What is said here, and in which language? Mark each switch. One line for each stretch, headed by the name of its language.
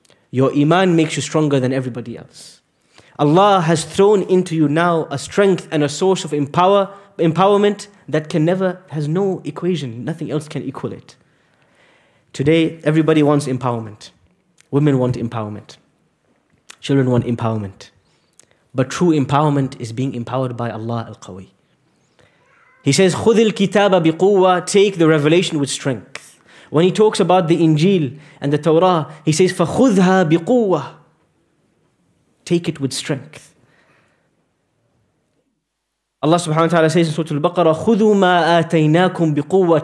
English: Your iman makes you stronger than everybody else. Allah has thrown into you now a strength and a source of empowerment that can never, has no equation. Nothing else can equal it. Today, everybody wants empowerment. Women want empowerment. Children want empowerment. But true empowerment is being empowered by Allah Al-Qawi. He says,
Arabic: خُذِ الْكِتَابَ بِقُوَّةِ.
English: Take the revelation with strength. When He talks about the Injil and the Torah, He says,
Arabic: فَخُذْهَا بِقُوَّةِ.
English: Take it with strength. Allah subhanahu wa ta'ala says in Surah Al-Baqarah,
Arabic: خُذُوا مَا آتَيْنَاكُمْ بِقُوَّةِ.